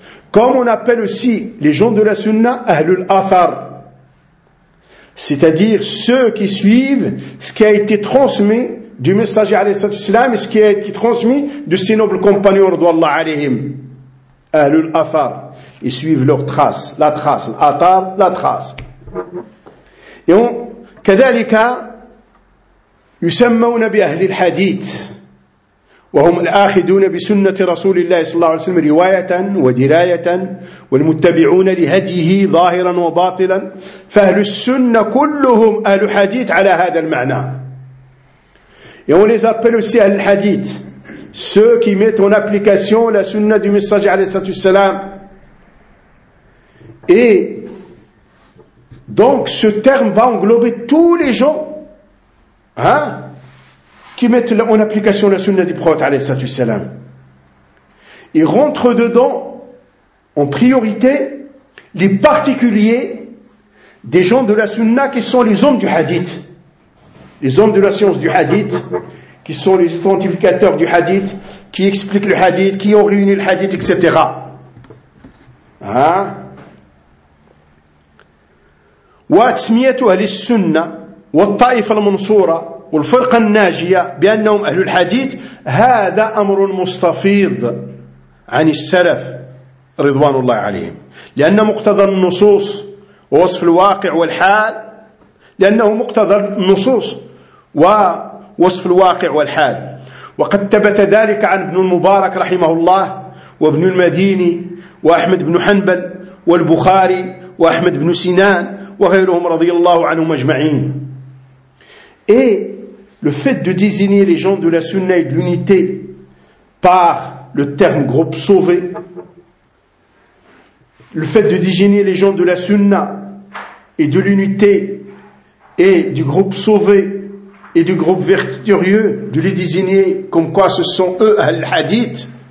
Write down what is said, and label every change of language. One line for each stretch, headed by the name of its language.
French: Comme on appelle aussi les gens de la sunna Ahlul Athar, c'est-à-dire ceux qui suivent ce qui a été transmis du messager alayhi salam et ce qui a été transmis de ses nobles compagnons radhiyallahu alayhim. Ahlul Athar, ils suivent leur trace, la trace, l'Athar, la trace. Et on,
Arabic: كذلك يسمون بأهل الحديث وهم الآخذون بسنة رسول الله صلى الله عليه وسلم رواية ودراية والمتبعون لهديه ظاهرا وباطلا فأهل السنة كلهم أهل حديث على هذا المعنى.
French: Et on les appelle aussi
Arabic: أهل الحديث,
French: ceux qui mettent en application la sunna du messager
Arabic: عليه الصلاة والسلام.
French: Et donc ce terme va englober tous les gens, hein, qui mettent en application la sunna du prophète alayhi salatu wassalam. Ils rentrent dedans en priorité les particuliers des gens de la sunna qui sont les hommes du hadith, les hommes de la science du hadith, qui sont les authentificateurs du hadith, qui expliquent le hadith, qui ont réuni le hadith, etc. Hein?
Arabic: Wa tsmiyatu ahli sunna wa at-ta'if al-mansura والفرقة الناجية بأنهم أهل الحديث هذا أمر مستفيض عن السلف رضوان الله عليهم لأن مقتضى النصوص ووصف الواقع والحال لأنه مقتضى النصوص ووصف الواقع والحال وقد ثبت ذلك عن ابن المبارك رحمه الله وابن المديني وأحمد بن حنبل والبخاري وأحمد بن سنان وغيرهم رضي الله عنهم أجمعين إيه.
French: Le fait de désigner les gens de la sunna et de l'unité par le terme groupe sauvé, le fait de désigner les gens de la sunna et de l'unité et du groupe sauvé et du groupe vertueux, de les désigner comme quoi ce sont eux al-hadith,